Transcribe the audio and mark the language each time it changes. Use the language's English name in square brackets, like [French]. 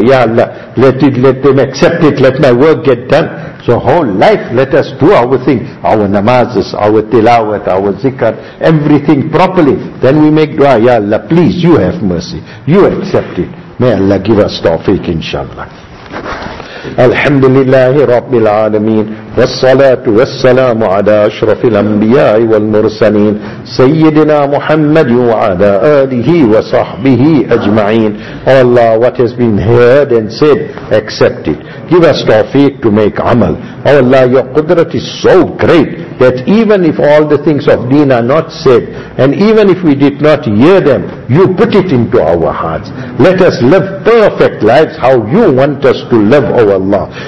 [English] Ya Allah, let them accept it, let my work get done. So whole life, let us do our thing, our namazes, our tilawat, our zikr, everything properly. Then we make dua, Ya Allah, please, you have mercy. You accept it. May Allah give us tawfiq, inshallah. [Arabic] الحمد لله رب العالمين والصلاة والسلام على أشرف الأنبياء والمرسلين سيدنا محمد وعلى آله وصحبه أجمعين. [English] Oh Allah, what has been heard and said, accept it. Give us tawfiq to make amal. Oh Allah, your qudrat is so great that even if all the things of deen are not said, and even if we did not hear them, you put it into our hearts. Let us live perfect lives how you want us to live, O Allah.